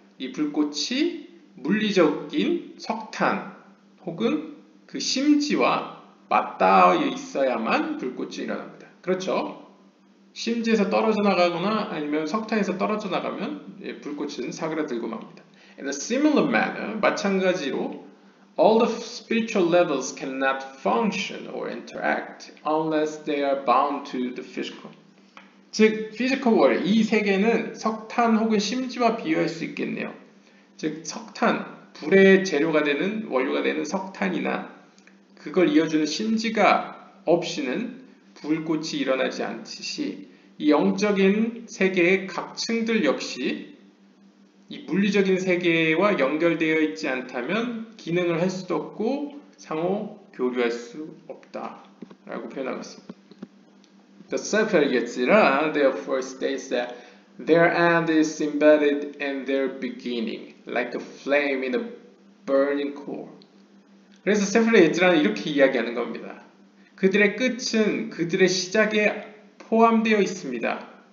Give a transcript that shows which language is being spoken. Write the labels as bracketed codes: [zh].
[ko] 이 불꽃이 물리적인 석탄 혹은 그 심지와 맞닿아 있어야만 불꽃이 일어납니다. 그렇죠? 심지에서 떨어져 나가거나 아니면 석탄에서 떨어져 나가면 불꽃은 사그라들고 맙니다. [en] In a similar manner, [ko] 마찬가지로 [en] All the spiritual levels cannot function or interact unless they are bound to the physical. [ko] 즉, [en] physical world, [ko] 이 세계는 석탄 혹은 심지와 비유할 수 있겠네요. 즉, 석탄, 불의 재료가 되는, 원료가 되는 석탄이나 그걸 이어주는 심지가 없이는 불꽃이 일어나지 않듯이 이 영적인 세계의 각 층들 역시 이 물리적인 세계와 연결되어 있지 않다면 기능을 할 수도 없고 상호 교류할 수 없다 라고 표현하고 있습니다. [en] The Sefer Yetzirah therefore states that their end is embedded in their beginning like a flame in a burning core. [ko] 그래서 Sefer Yetzirah는 이렇게 이야기하는 겁니다. 그들의 끝은 그들의 시작에 포함되어 있습니다.